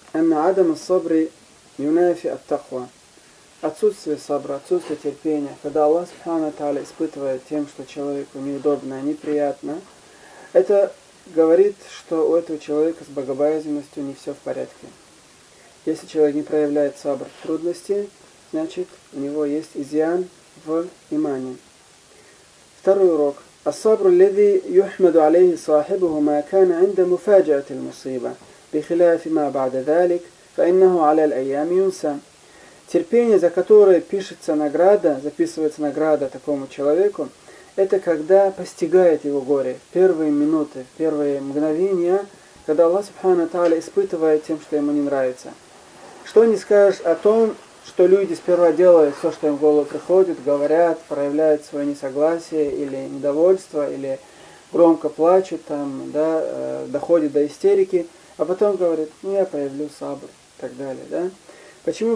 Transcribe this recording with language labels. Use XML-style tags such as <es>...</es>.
<ar>«Анна адама собри юнафи аттахва».</ar> <ru>Отсутствие сабра, отсутствие терпения, когда Аллах, субхана та'аля, испытывает тем, что человеку неудобно, неприятно, это говорит, что у этого человека с богобоязненностью не все в порядке. Если человек не проявляет сабр в трудности, значит, у него есть изъян в имане. Второй урок.</ru> <ar>«Ассабр ливи юхмаду алейхи сахибуху ма кана инда муфаджаати аль-мусиба». بخلاف ما بعد ذلك فإنه على الأيام ينسى.</ar> <ru>Терпение, за которое пишется награда, записывается награда такому человеку, это когда постигает его горе в первые минуты, в первые мгновения, когда Аллах Субхана Тааля испытывает тем, что ему не нравится. Что не скажешь о том, что люди сперва делают все, что им в голову приходит, говорят, проявляют свое несогласие или недовольство, или громко плачут, доходят до истерики, а потом говорит: «Ну, я проявлю сабр», и так далее, да? Почему?</ru>